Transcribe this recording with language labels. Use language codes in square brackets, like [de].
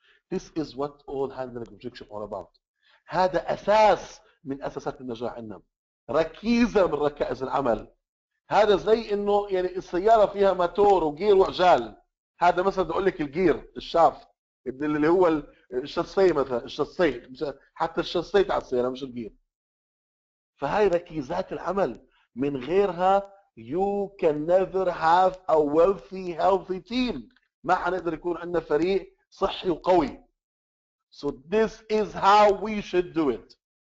[en] This is what all handling objection all about. [ar] هذا اساس من اساسات النجاح عندنا، ركيزه من ركائز العمل. هذا زي انه يعني السياره فيها ماتور وجير وعجال، هذا مثلا بقول لك الجير الشافت اللي هو الشاسيه، مثلا الشاسيه حتى الشاسيه على السياره مش الجير. فهي ركيزات العمل، من غيرها [en] you can never have a wealthy healthy team، [ar] ما حنقدر يكون عندنا فريق صحي وقوي. [en] So this is how we should do it.